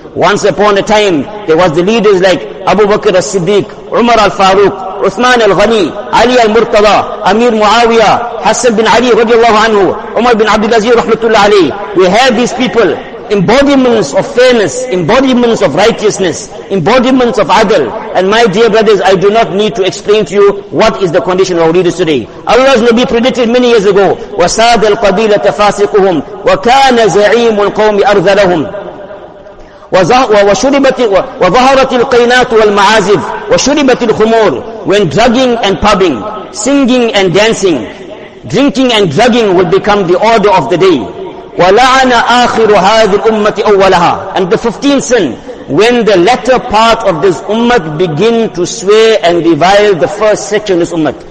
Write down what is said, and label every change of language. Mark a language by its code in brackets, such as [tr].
[en] Once upon a time, there was the leaders like Abu Bakr al-Siddiq, Umar al-Faruq, Uthman al-Ghani, Ali al-Murtada, Amir Muawiyah, Hassan bin Ali radiallahu anhu, Umar bin Abdulaziz rahmatullah alayhi. We have these people, embodiments of fairness, embodiments of righteousness, embodiments of adl. And my dear brothers, I do not need to explain to you what is the condition of our leaders today. Allah's Nabi predicted many years ago, [ar] وَسَادَ الْقَبِيلَةَ فَاسِقُهُمْ وَكَانَ زَعِيمُ الْقَوْمِ أَرْذَلَهُمْ وَظَهَرَتِ الْقَيْنَاتُ وَالْمَعَازِفُ وَشُرِبَتِ الْخُمُورُ. [en] When drugging and pubbing, singing and dancing, drinking and drugging will become the order of the day. [ar] وَلَعَنَ آخِرُ هَذِ الْأُمَّةِ أَوَّلَهَا. [en] And the 15 sin, when the latter part of this ummah begin to swear and revile the first section of this ummah,